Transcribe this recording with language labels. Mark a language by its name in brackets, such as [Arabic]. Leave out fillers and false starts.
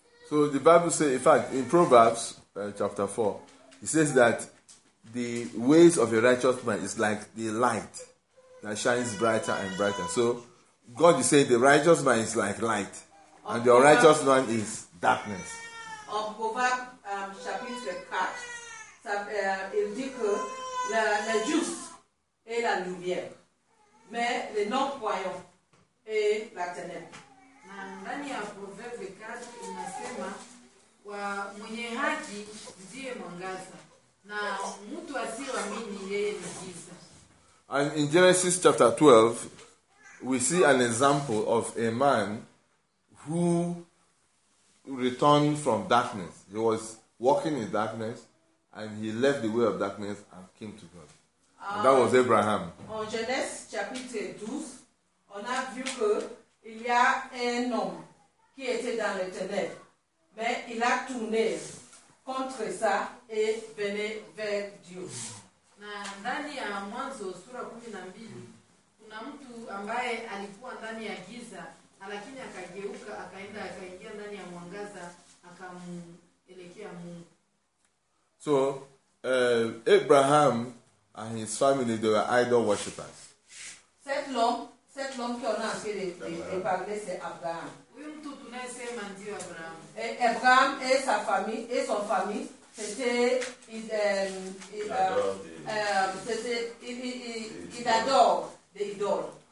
[English] So the Bible says, in fact, in Proverbs chapter 4, it says that the ways of a righteous man is like the light that shines brighter and brighter. So God is saying the righteous man is like light, and the unrighteous man is darkness. [French] Of Proverbs chapitre 4, ça dit que le juste est la lumière, mais le non-croyant est la ténèbre. [Swahili] Ndani ya Proverbe 4 inasema wa mwenye haki ndiye mwangaza na mtu asiyeamini yeye ni giza. [English] And in Genesis chapter 12, we see an example of a man who returned from darkness. He was walking in darkness, and he left the way of darkness and came to God. And that was Abraham. [French] En Genèse chapitre 12, on a vu que il y a un homme qui était dans les ténèbres, mais il a tourné contre ça et venait vers Dieu. [Swahili] Na ndani ya Mwanzo sura 12 kuna mtu ambaye alikuwa ndani ya giza lakini akageuka akaenda akaingia ndani ya mwangaza akamuelekea Mungu. [English] So Abraham and his family, they were idol worshippers. [French] Cet homme qui on a parlé, c'est Abraham. [Swahili] Oui, mtu tunayesema ndio Abraham. [French] Abraham et sa famille et son famille, il adore des idoles.